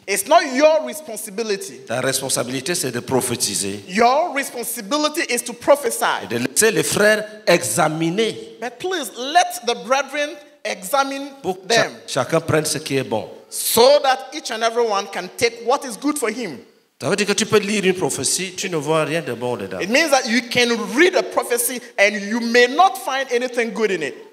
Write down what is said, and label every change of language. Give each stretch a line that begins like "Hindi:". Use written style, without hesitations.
English: It's not your responsibility.
French: Ta responsabilité, c'est de prophétiser.
English: Your responsibility is to prophesy.
French: Et de laisser les frères examiner.
English: But please, let the brethren examine
French: pour
English: them.
French: Chacun prenne ce qui est bon.
English: So that each and everyone can take what is good for him.
French: Ça veut dire que tu peux lire une prophétie, tu ne vois rien de bon dedans.
English: It means that you can read a prophecy and you may not find anything good in it.